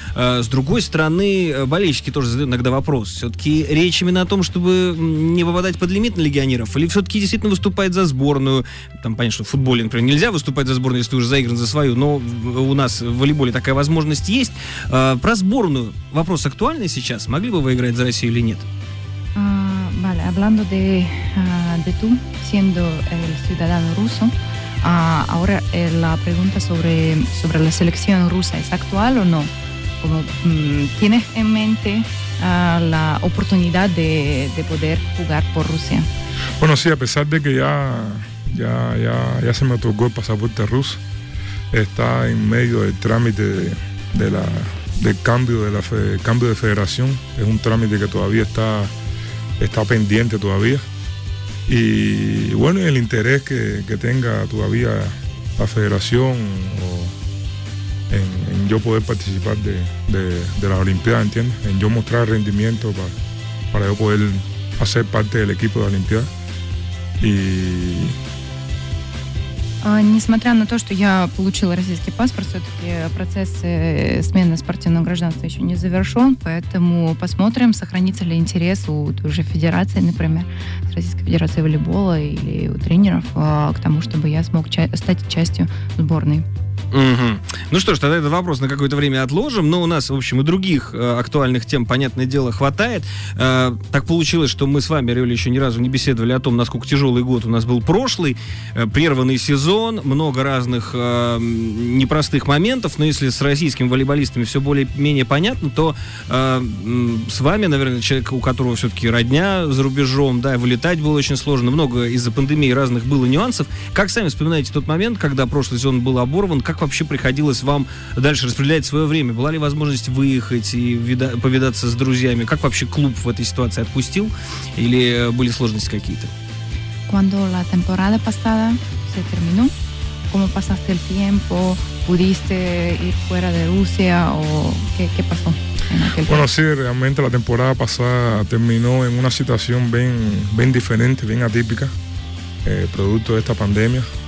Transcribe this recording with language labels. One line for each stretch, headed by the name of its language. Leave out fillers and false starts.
Russian: С другой стороны, болельщики тоже задают иногда вопрос. Все-таки речь именно о том, чтобы не попадать под лимит на легионеров, или все-таки действительно выступает за сборную? Там, понятно, что в футболе, например, нельзя выступать за сборную, если ты уже заигран за свою, но у нас в волейболе такая возможность есть. Про сборную вопрос актуальный сейчас? Могли бы вы играть за Россию или нет?
Spanish: Vale, hablando de tú, siendo el ciudadano ruso, ahora la pregunta sobre la selección rusa, ¿es actual o no? Como, ¿tienes en mente la oportunidad de poder jugar por Rusia? Bueno, sí, a pesar de que ya se me otorgó el pasaporte ruso, está en medio del trámite del cambio de federación, es un trámite que todavía está pendiente todavía. Y bueno, el interés que tenga todavía la federación o en yo poder participar de las Olimpiadas, ¿entiendes? En yo mostrar rendimiento para yo poder hacer parte del equipo de la Olimpiada. Y
Russian: несмотря на то, что я получила российский паспорт, все-таки процесс смены спортивного гражданства еще не завершен, поэтому посмотрим, сохранится ли интерес у той же федерации, например, Российской Федерации волейбола или у тренеров к тому, чтобы я смог стать частью сборной. Угу. Ну что ж, тогда этот вопрос на какое-то время отложим, но у нас, в общем, и других актуальных тем, понятное дело, хватает. Так получилось, что мы с вами, Орел, еще ни разу не беседовали о том, насколько тяжелый год у нас был прошлый, прерванный сезон, много разных непростых моментов, но если с российскими волейболистами все более-менее понятно, то с вами, наверное, человек, у которого все-таки родня за рубежом, да, вылетать было очень сложно, много из-за пандемии разных было нюансов. Как сами вспоминаете тот момент, когда прошлый сезон был оборван? Как вообще приходилось вам дальше распределять свое время? Была ли возможность выехать и повидаться с друзьями? Как вообще клуб в этой ситуации отпустил? Или были сложности какие-то?
Spanish: Cuando la temporada pasada se terminó, ¿cómo pasaste el tiempo? ¿Pudiste ir fuera de Rusia? ¿O qué pasó en aquel tiempo? Bueno, sí, realmente la temporada pasada terminó en una situación bien, bien diferente, bien atípica, producto de esta pandemia.